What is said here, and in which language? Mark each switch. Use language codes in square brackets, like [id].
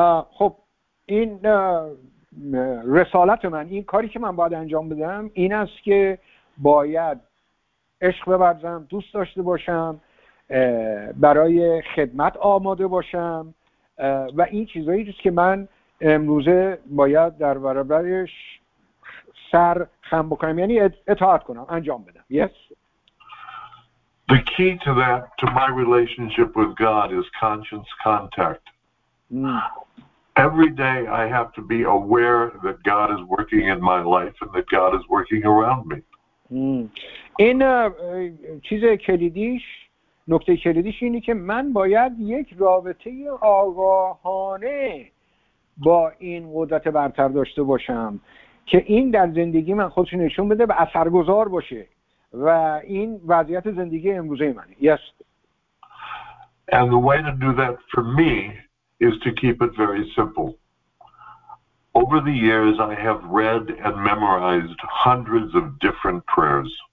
[fa] خب این رسالت من، این کاری که من باید انجام بدم این است که باید عشق ببرزم، دوست داشته باشم، برای خدمت آماده باشم، و این چیزایی است که من امروزه باید در برابرش سر خم بکنم، یعنی اطاعت کنم، انجام بدم. [en] Yes. The key to that, to my relationship with God, is conscience contact. Every day I have to be aware that God is working in my life and that God is working around me. [fa] این چیز کلیدیش، نکته کلیدیش اینه که من باید یک رابطه آگاهانه با این قدرت برتر داشته باشم که این در زندگی من خودش نشون بده و اثرگذار باشه، و این وضعیت زندگی امروزه منه. [en] Yes. And the way to do that for me is to keep it very simple. Over the years I have read and memorized hundreds of different prayers.